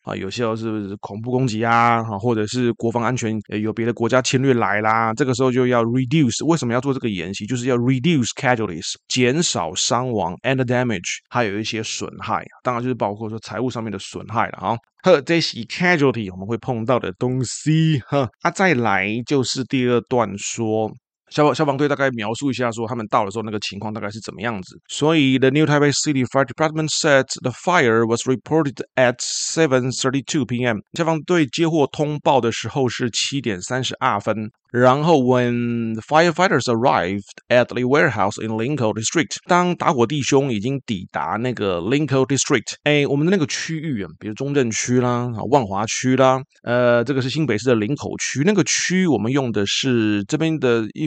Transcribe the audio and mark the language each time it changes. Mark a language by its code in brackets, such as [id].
[zh] 有些是恐怖攻击啊，或者是国防安全有别的国家侵略来啦，这个时候就要 reduce， 为什么要做这个演习，就是要 [en] reduce casualties， [zh] 减少伤亡 [en] and damage， [zh] 还有一些损害，当然就是包括说财务上面的损害啦。呵，这是 casualty 我们会碰到的东西。呵，啊，再来就是第二段说消防队大概描述一下说他们到的时候那个情况大概是怎么样子。 [en] 所以 The New Taipei City Fire Department said the fire was reported at 7:32 p.m. [zh] 消防队接获通报的时候是7:32。然后 [en] when firefighters arrived at the warehouse in Lincoln District， [zh] 当打火弟兄已经抵达那个 Lincoln District， 我们的那个区域啊，比如中正区啦，万华区啦，这个是新北市的林口区，那个区我们用的是这边的